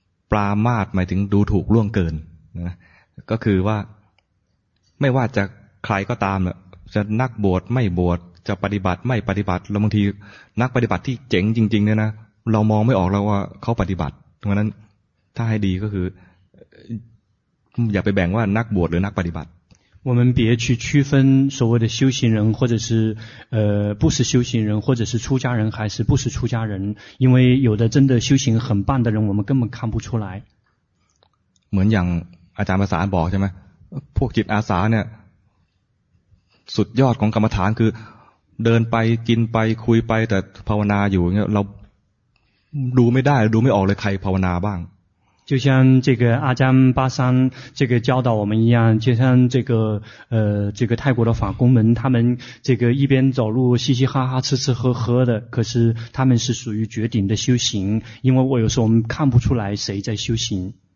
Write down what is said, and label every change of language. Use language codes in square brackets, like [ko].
[th] ปรามาสหมายถึงดูถูกล่วงเกินนะก็คือว่าไม่ว่าจะใครก็ตามจะนักบวชไม่บวชจะปฏิบัติไม่ปฏิบัติแล้วบางทีนักปฏิบัติที่เจ๋งจริงๆเนี่ยนะเรามองไม่ออกแล้วว่าเขาปฏิบัติเพราะนั้นถ้าให้ดีก็คืออย่าไปแบ่งว่านักบวชหรือนักปฏิบัติ [zh] 我们别去区分所谓的修行人或者是不是修行人或者是出家人还是不是出家人因为有的真的修行很棒的人我们根本看不出来 [th] เหมือนอย่างอาจารย์ประสานบอกใช่ไหมพวกจิตอาสาเนี่ยสุดยอดของกรรมฐานคือเดินไปกินไปคุยไปแต่ภาวนาอยู่เราดูไม่ได้ดูไม่ออกเลยใครภาวนาบ้าง [zh] 就像这个阿姜巴桑这个教导我们一样，就像这个这个泰国的法公们，他们这个一边走路嘻嘻哈哈吃吃喝喝的，可是他们是属于绝顶的修行，因为我有时候我们看不出来谁在修行。